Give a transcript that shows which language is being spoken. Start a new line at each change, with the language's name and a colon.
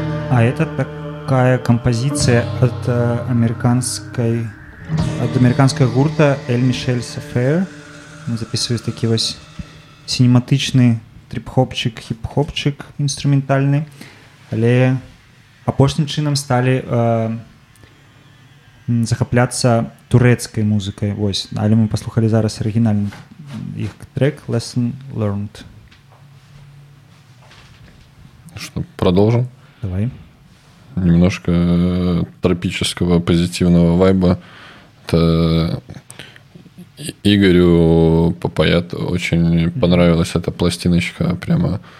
Russian: А это такая композиция от американской... От американского гурта «Эль Мишель Сафэр». Мы записывали такие вот синематичные трип-хопчик, хип-хопчик инструментальный.
Belarusian: Але апошнім чынам сталі захапляцца турэцкай музыкай. Вось, але мы паслухалі зараз арыгінальны іх трэк «Lesson Learned».
Russian: Что, продолжим? Давай. Немножко тропического позитивного вайба. Это Игорю Папаят очень понравилась эта пластиночка прямо.